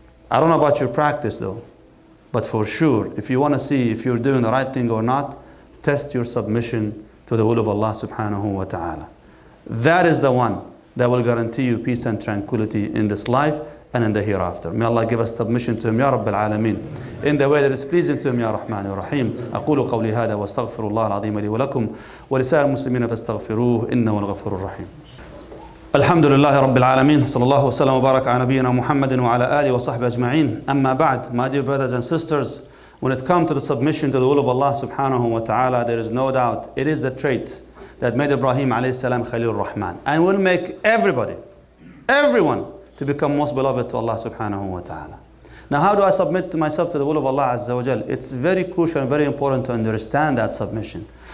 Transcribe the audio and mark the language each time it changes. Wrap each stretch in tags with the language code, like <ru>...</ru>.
<en>I don't know about your practice though, but for sure, if you want to see if you're doing the right thing or not, test your submission to the will of Allah subhanahu wa ta'ala. That is the one that will guarantee you peace and tranquility in this life and in the hereafter. May Allah give us submission to Him, Ya Rabbil Alameen, in the way that is pleasing to Him, Ya Rahman, Ya Rahim.</en> <ar>أقول قولي هذا واستغفر الله العظيم لي ولكم ولسائر المسلمين فاستغفروه إنه الغفور الرحيم. الحمد لله رب العالمين صلى الله وسلم وبارك على نبينا محمد وعلى آله وصحبه أجمعين. أما بعد,</ar> <en>my dear brothers and sisters, When it comes to the submission to the will of Allah subhanahu wa ta'ala, there is no doubt it is the trait that made Ibrahim alayhi salam Khalil Rahman and will make everyone to become most beloved to Allah subhanahu wa ta'ala. Now, how do I submit to myself to the will of Allah Azza wa Jal? It's very crucial and very important to understand that submission.</en>